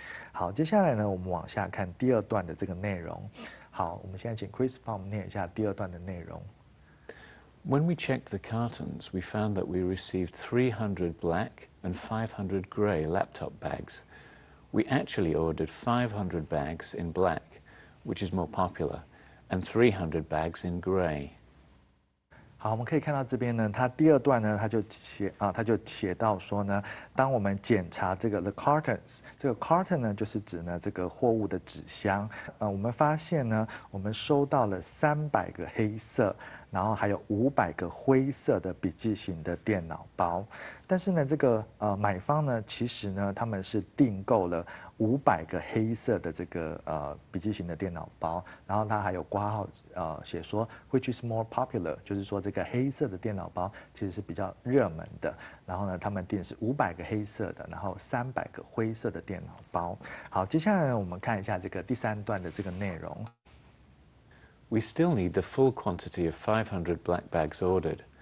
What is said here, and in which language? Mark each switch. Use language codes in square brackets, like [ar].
[zh] 好，接下来呢，我们往下看第二段的这个内容。好，我们现在请 Chris 帮我们念一下第二段的内容。 [en] When we checked the cartons, we found that we received 300 black and 500 grey laptop bags. We actually ordered 500 bags in black, which is more popular.And 300 bags in grey. [zh] 好，我们可以看到这边呢，它第二段呢，它就写到说呢，当我们检查这个 [en] the cartons， [zh] 这个 carton 呢，就是指呢这个货物的纸箱，我们发现呢，我们收到了300个黑色，然后还有500个灰色的笔记型的电脑包，但是呢，这个买方呢，其实呢，他们是订购了500个黑色的这个笔记型的电脑包，然后它还有挂号写说 [en] which is more popular， [zh] 就是说这个黑色的电脑包其实是比较热门的，然后呢，他们订是500个黑色的，然后300个灰色的电脑包。好，接下来呢，我们看一下这个第三段的这个内容。 [en] We still need the full quantity of 500 black bags ordered.